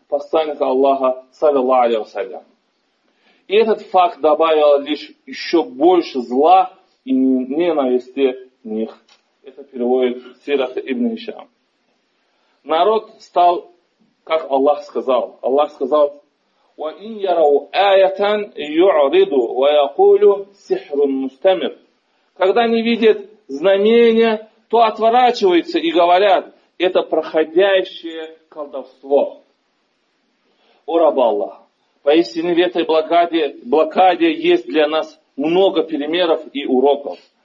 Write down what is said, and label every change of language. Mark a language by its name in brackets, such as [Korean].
[Russian] посланника Аллаха, саллиллаху алейхи вассалям. И этот факт добавил лишь еще больше зла и ненависти в них. Это переводит Сирах ибн Ишам. Народ стал, как Аллах сказал. Аллах сказал: [Arabic] وَإِنْ يَرَوْا آيَةً يُعْرِضُ وَيَقُولُ سِحْرٌ مُسْتَمِرٌ. [Russian] Когда они видят знамение, то отворачиваются и говорят: это проходящее колдовство. О раб Аллах, поистине в этой блокаде есть для нас много примеров и уроков.